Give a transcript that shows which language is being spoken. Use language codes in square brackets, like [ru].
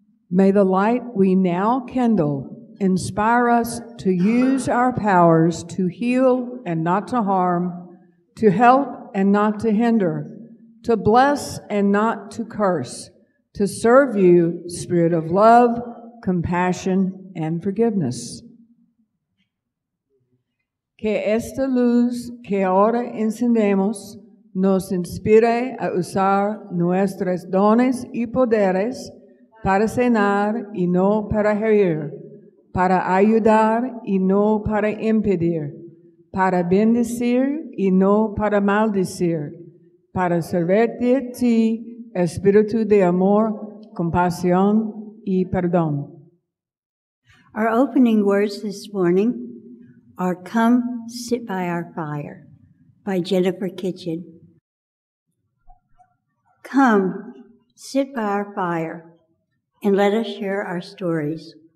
[en] May the light we now kindle inspire us to use our powers to heal and not to harm, to help and not to hinder, to bless and not to curse, to serve you, Spirit of love, compassion, and forgiveness. [es] Que esta luz que ahora encendemos nos inspire a usar nuestros dones y poderes para sanar y no para herir, para ayudar y no para impedir, para bendecir y no para maldecir, para servirte a ti, Espíritu de amor, compasión y perdón. [en] Our opening words this morning are Come Sit by Our Fire by Jennifer Kitchen. Come, sit by our fire and let us share our stories.